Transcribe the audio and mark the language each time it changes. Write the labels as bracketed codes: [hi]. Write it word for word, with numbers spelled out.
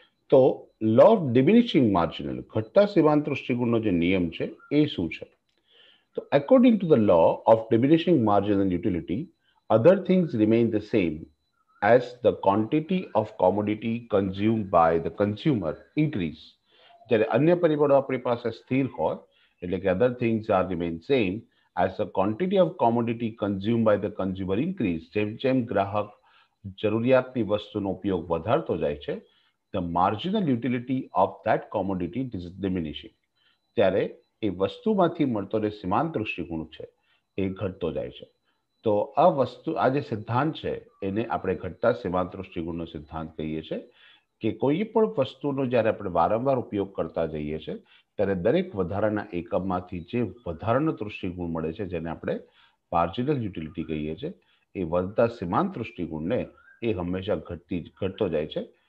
[gu] તો લો of diminishing marginal ઘટતા સીમાંત દૃષ્ટિકોણનો જે નિયમ છે એ શું છે. [en] તો according to the law of diminishing marginal utility other things remain the same as the quantity of commodity consumed by the consumer increase. [gu] જ્યારે અન્ય પરિબળો આપણી પાસે સ્થિર હોય એટલે કે [en] other things are remain same as the quantity of commodity consumed by the consumer increase. [gu] જેમ જેમ ગ્રાહક જરૂરિયાતની વસ્તુનો ઉપયોગ વધારતો જાય છે [en] the marginal utility of that commodity is diminishing. [gu] ત્યારે એ વસ્તુમાંથી મળતો જે સીમાંત દૃષ્ટિકોણ છે એ ઘટતો જાય છે. તો આ વસ્તુ આ જે સિદ્ધાંત છે એને આપણે ઘટતા સીમાંત દૃષ્ટિકોણનો સિદ્ધાંત કહીએ છીએ કે કોઈ પણ વસ્તુનો જ્યારે આપણે વારંવાર ઉપયોગ કરતા જઈએ છીએ ત્યારે દરેક વધારાના એકમમાંથી જે વધારાનો દૃષ્ટિકોણ મળે છે જેને આપણે માર્જિનલ યુટિલિટી કહીએ છીએ એ વધતા સીમાંત દૃષ્ટિકોણને એ હંમેશા ઘટતી ઘટતો જાય છે.